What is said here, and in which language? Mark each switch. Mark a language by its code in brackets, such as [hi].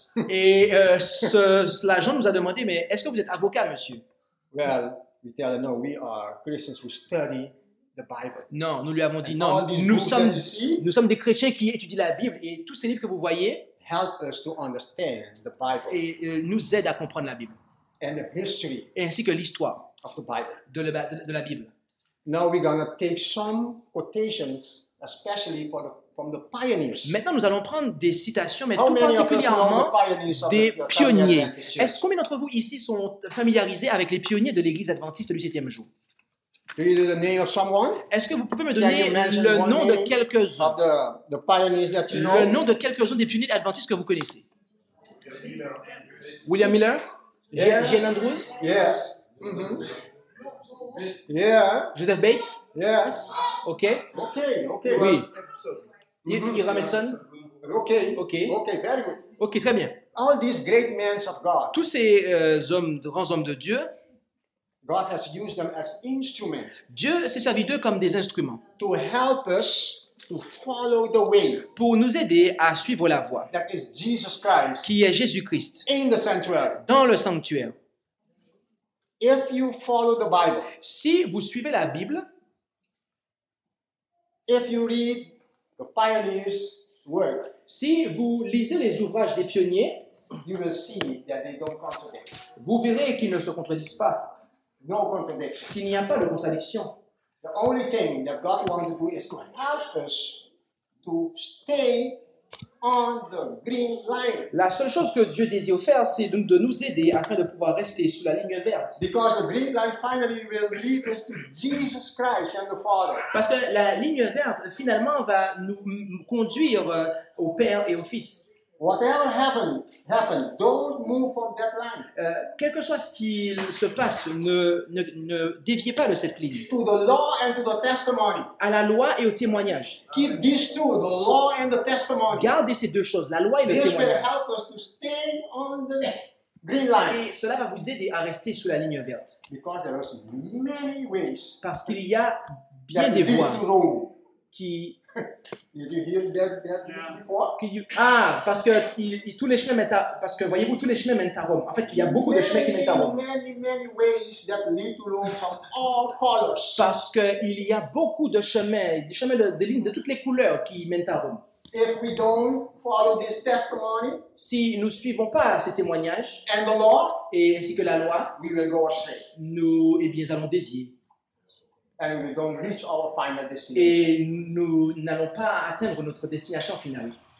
[fr] Et l'agent nous a demandé, mais est-ce que vous êtes avocat, monsieur? [en] Well, we tell them, no, we are Christians who study the Bible. [fr] Non, nous lui avons dit, non, nous sommes des chrétiens qui étudient la Bible, et tous ces livres que vous voyez [en] help us to understand the Bible. [fr] Et nous aident à comprendre la Bible. [en] And the history [fr] ainsi que l'histoire [en] of the Bible. [fr] De la Bible. [en] Now we're going to take some quotations, especially from the pioneers. [fr] Maintenant, nous allons prendre des citations, mais tout particulièrement des pionniers. Est-ce combien d'entre vous ici sont familiarisés avec les pionniers de l'Église adventiste du septième jour? [en] Do you know the name of someone? [fr] Est-ce que vous pouvez me donner le nom de quelques-uns? [en] The pioneers that you know? [fr] Le nom de quelques-uns des pionniers adventistes que vous connaissez? [en] William Miller? Jean Andrews? Yes. Mm-hmm. Yeah. Joseph Bates. Yes. Okay. Okay. Okay. [fr] Oui. Mm-hmm. Ira Metzen. [en] Okay. Okay. Okay. Very good. [fr] Okay. Très bien. [en] All these great men of God. [fr] Tous ces hommes, grands hommes de Dieu. [en] God has used them as instruments. [fr] Dieu s'est servi d'eux comme des instruments. [en] To help us to follow the way. [fr] Pour nous aider à suivre la voie. [en] That is Jesus Christ. [fr] Qui est Jésus Christ. [en] In the sanctuary. [fr] Dans le sanctuaire. [en] If you follow the Bible, [fr] si vous suivez la Bible, [en] if you read the pioneers' work, [fr] si vous lisez les ouvrages des pionniers, [en] you will see that they don't contradict. [fr] Vous verrez qu'ils ne se contredisent pas. [en] No contradiction. [fr] Qu'il n'y a pas de contradiction. [en] The only thing that God wants to do is to help us to stay on the green line. [fr] La seule chose que Dieu désire faire, c'est donc de nous aider afin de pouvoir rester sous la ligne verte. [en] Because the green line finally will lead us to Jesus Christ and the Father. [fr] Parce que la ligne verte finalement va nous conduire au Père et au Fils. [en] Whatever happens, don't move from that line. [fr] Quel que soit ce qui se passe, ne déviez pas de cette ligne. [en] To the law and to the testimony. [fr] À la loi et au témoignage. [en] Keep these two, the law and the testimony. [fr] Gardez ces deux choses, la loi et [en] this [fr] le témoignage. [en] This will help us to stay on the green line. [fr] Et cela va vous aider à rester sous la ligne verte. [en] Because there are many ways. [fr] Parce qu'il y a bien des voies [en] to Rome. [fr] Qui [en] Did you hear that before? [fr] Ah, parce que tous les chemins mènent à parce que voyez-vous tous les chemins mènent à Rome. En fait, il y a beaucoup [en] many, [fr] de chemins qui mènent à Rome. [en] Many ways that lead to Rome from all colors. [fr] Parce que il y a beaucoup de chemins, des chemins de lignes de toutes les couleurs qui mènent à Rome. [en] If we don't follow this testimony, [fr] si nous suivons pas ces témoignages, [en] and the law, [fr] et ainsi que la loi, [en] we will go astray. [fr] Nous, eh bien, allons dévier. [en] And we don't reach our final destination. [fr] Et nous n'allons pas atteindre notre destination finale.